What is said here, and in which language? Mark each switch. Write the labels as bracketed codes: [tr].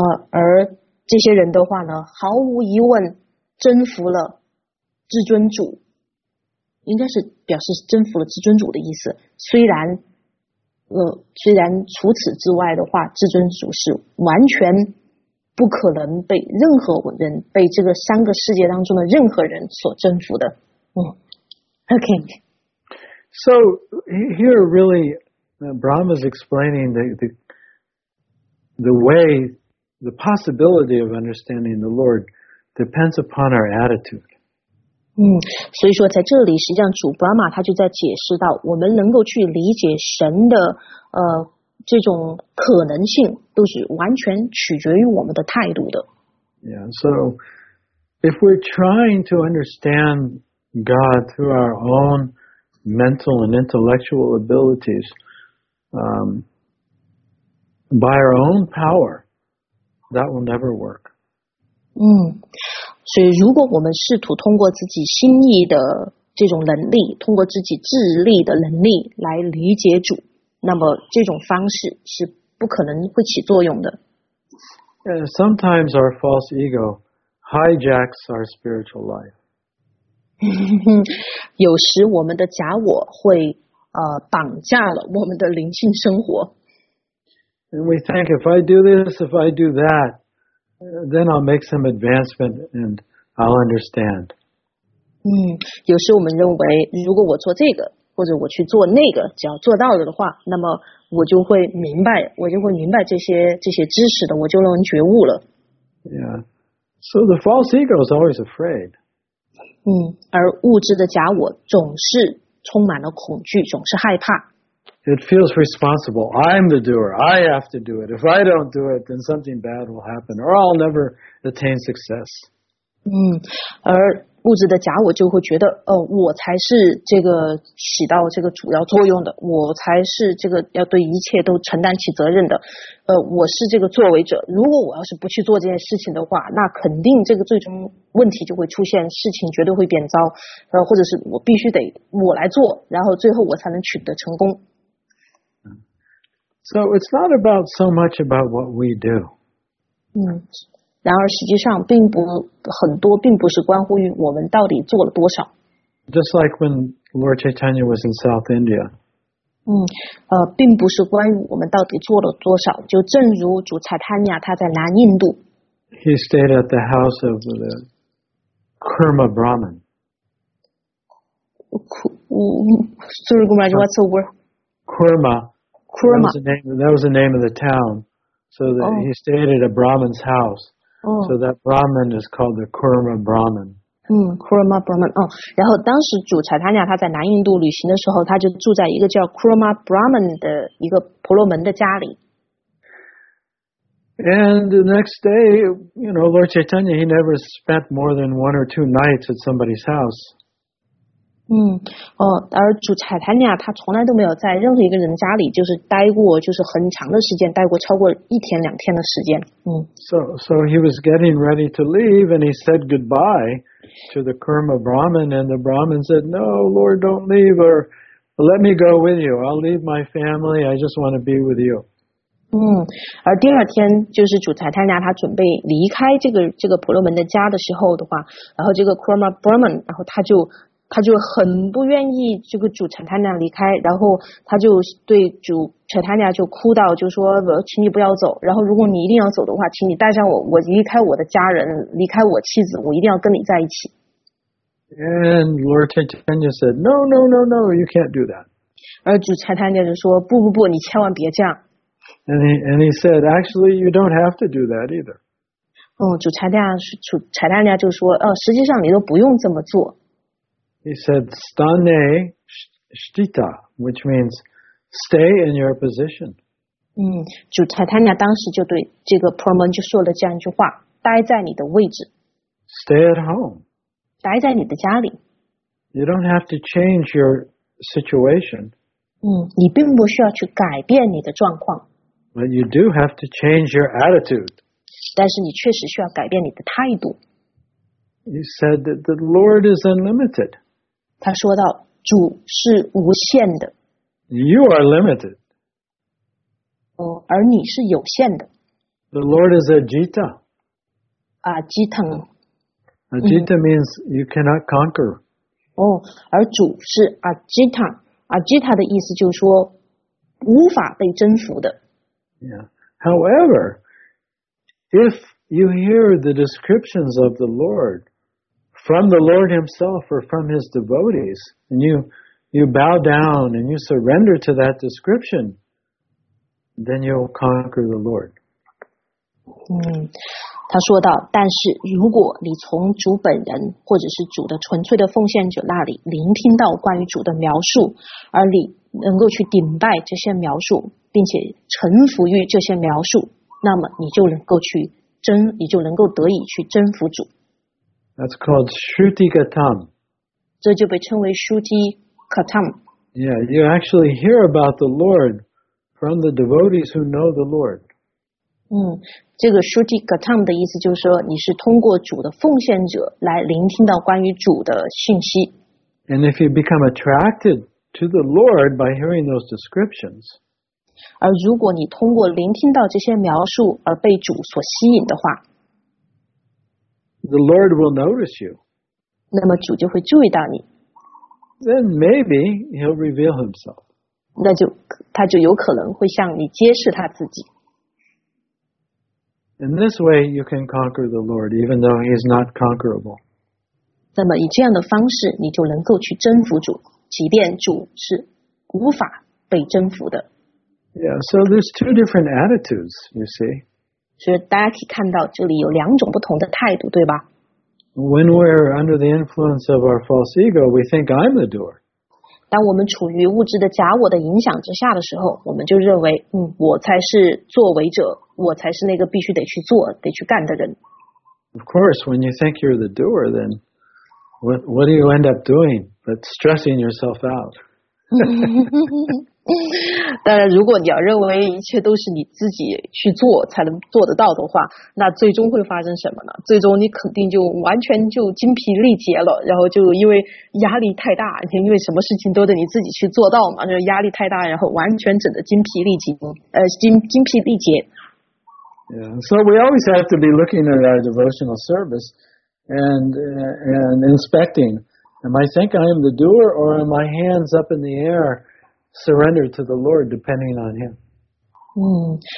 [zh] 而这些人的话呢，毫无疑问征服了至尊主，应该是表示征服了至尊主的意思。虽然除此之外的话，至尊主是完全不可能被任何人，被这个三个世界当中的任何人所征服的。 [en] So here really, Brahma is explaining the way, the possibility of understanding the Lord depends upon our attitude. [zh] 所以说在这里实际上主 Brahma 他就在解释到，我们能够去理解神的这种可能性都是完全取决于我们的态度的。 [en] Yeah, so if we're trying to understand God through our own mental and intellectual abilities, by our own power, that will never work. [zh] 所以如果我们试图通过自己心意的这种能力，通过自己智力的能力来理解主，那么这种方式是不可能会起作用的。 [en] Sometimes our false ego hijacks our spiritual life. [zh] 有时我们的假我会绑架了我们的灵性生活。 [en] And we think if I do this, if I do that, then I'll make some advancement and I'll understand. [zh] 有时我们认为如果我做这个或者我去做那个，只要做到了的话，那么我就会明白，我就会明白这些知识的，我就能觉悟了。 [en] Yeah, so the false ego is always afraid. [zh] 而物质的假我总是充满了恐惧，总是害怕。 [en] It feels responsible. I'm the doer. I have to do it. If I don't do it, then something bad will happen, or I'll never attain success. [zh] 而物质的假我就会觉得，我才是这个起到这个主要作用的，我才是这个要对一切都承担起责任的，我是这个作为者。如果我要是不去做这件事情的话，那肯定这个最终问题就会出现，事情绝对会变糟，或者是我必须得我来做，然后最后我才能取得成功。 [en] So it's not about so much about what we do. [zh] 然而实际上并不很多并不是关乎于我们到底做了多少。 [en] Just like when Lord Chaitanya was in South India. [zh] 并不是关于我们到底做了多少，就正如主查坦尼亚他在南印度。 [en] He stayed at the house of the Kurma Brahman. Sorry, Gumaraj, what's the word? Kurma. Kurma. That was the name of the town. So that he stayed at a Brahman's house. So that Brahman is called the Kurma Brahman. [zh] Kurma Brahman. 然后当时主查坦尼亚他在南印度旅行的时候，他就住在一个叫 Kurma Brahman 的一个婆罗门的家里。 [en] And the next day, you know, Lord Chaitanya, he never spent more than one or two nights at somebody's house. [zh] 而主查坦尼亚他从来都没有在任何一个人家里就是待过，就是很长的时间，待过超过一天两天的时间。 [en] So he was getting ready to leave and he said goodbye to the Kurma Brahman, and the Brahman said, no, Lord, don't leave, or let me go with you. I'll leave my family. I just want to be with you. [zh] 而第二天就是主查坦尼亚他准备离开这个婆罗门的家的时候的话，然后这个 Kurma Brahman, 然后他就很不愿意这个主查坦尼亚离开，然后他就对主查坦尼亚就哭到，就说请你不要走，然后如果你一定要走的话，请你带上我，我离开我的家人，离开我妻子，我一定要跟你在一起。 [en] And Lord Chaitanya said, no, no, no, no, you can't do that. [zh] 而主查坦尼亚就说，不不不，你千万别这样。 [en] And he said, actually, you don't have to do that either. [zh] 主查坦尼亚就说，实际上你都不用这么做。 [en] He said, stane shtita, which means stay in your position. [zh] 主 Chaitanya 当时就对这个 Praman 就说了这样一句话，待在你的位置。 [en] Stay at home. [zh] 待在你的家里。 [en] You don't have to change your situation. [zh] 你并不需要去改变你的状况。 [en] But you do have to change your attitude. [zh] 但是你确实需要改变你的态度。 [en] You said that the Lord is unlimited. [zh] 他说到主是无限的。 [en] You are limited. [zh] 而你是有限的。 [en] The Lord is Ajita. Ajita. Ajita means you cannot conquer. [zh] 而主是 Ajita. Ajita 的意思就是说无法被征服的。 [en] Yeah. However, if you hear the descriptions of the Lord,from the Lord himself or from his devotees, and you bow down and you surrender to that description, then you'll conquer the Lord. [zh] 他说到，但是如果你从主本人或者是主的纯粹的奉献者那里聆听到关于主的描述，而你能够去顶拜这些描述，并且臣服于这些描述，那么你就能够得以去征服主。 [en] That's called Shruti Gatam. [zh] 这就被称为 Shruti Gatam. [en] Yeah, you actually hear about the Lord from the devotees who know the Lord. [zh] 这个 Shruti Gatam 的意思就是说你是通过主的奉献者来聆听到关于主的信息。 [en] And if you become attracted to the Lord by hearing those descriptions, [zh] 而如果你通过聆听到这些描述而被主所吸引的话， [en] The Lord will notice you. [zh] 那么主就会注意到你。 [en] Then maybe he'll reveal himself. [zh] 那就他就有可能会向你揭示他自己。 [en] In this way, you can conquer the Lord, even though he's not conquerable. [zh] 那么以这样的方式，你就能够去征服主，即便主是无法被征服的。 [en] Yeah, so there's two different attitudes, you see. [zh] 所以大家可以看到这里有两种不同的态度，对吧？ [en] When we're under the influence of our false ego, we think I'm the doer. [zh] 当我们处于物质的假我的影响之下的时候，我们就认为，我才是作为者，我才是那个必须得去做，得去干的人。 [en] Of course, when you think you're the doer, then what do you end up doing but stressing yourself out? [zh] 当然如果你要认为一切都是你自己去做才能做得到的话，那最终会发生什么呢？最终你肯定就完全就精疲力竭了，然后就因为压力太大，因为什么事情都得你自己去做到嘛，就压力太大，然后完全整得精疲力竭精疲力竭。 [en] Yeah, so we always have to be looking at our devotional service and inspecting, am I think I am the doer or am I hands up in the airSurrender to the Lord, depending on Him.